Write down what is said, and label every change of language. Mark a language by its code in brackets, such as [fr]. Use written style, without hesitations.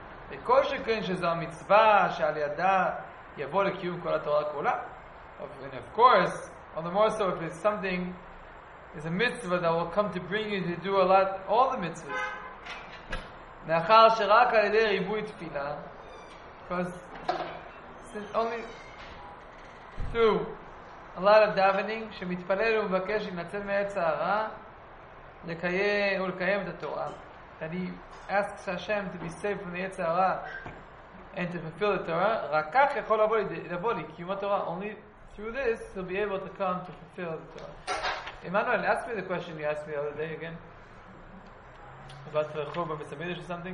[he] וכל שכן שזו המצווה שעל ידה יבוא לקיום כל התורה כולה. [en] And of course, all the more so if it's something, it's a mitzvah that will come to bring you to do a lot, all the mitzvahs. [he] מאחר שרק על ידי ריבוי תפילה, [en] because it's only two. A lot of davening, [he] שמתפלל ומבקש להינצל מעץ הרע ולקיים את התורה. [en] That he asks Hashem to be saved from the עץ הרע and to fulfill the Torah. [he] רק כך יכול לבוא לי, קיום התורה. [en] Only through this, he'll be able to come to fulfill the Torah. Emmanuel, ask me the question you asked me the other day again. About the Chor B'Mesamidish or something?